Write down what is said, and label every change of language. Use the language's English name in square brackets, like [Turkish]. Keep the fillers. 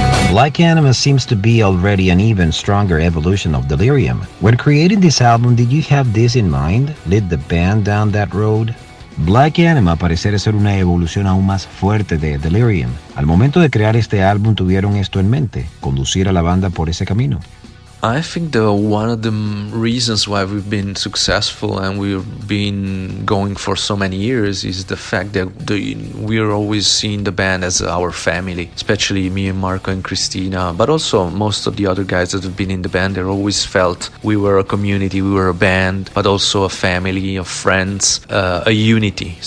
[English] Black Anima seems to be already an even stronger evolution of Delirium. When creating this album, did you have this in mind? Lead the band down that road? [Spanish] Black Anima parece ser una evolución aún más fuerte de Delirium. Al momento de crear este álbum tuvieron esto en mente, conducir a la banda por ese camino. [English] I think the one of the m- reasons why we've been successful and we've been going for so many years is the fact that the, we're always seeing the band as our family, especially me and Marco and Christina, but also most of the other guys that have been in the band. They always felt we were a community, we were a band, but also a family of friends, uh, a unity.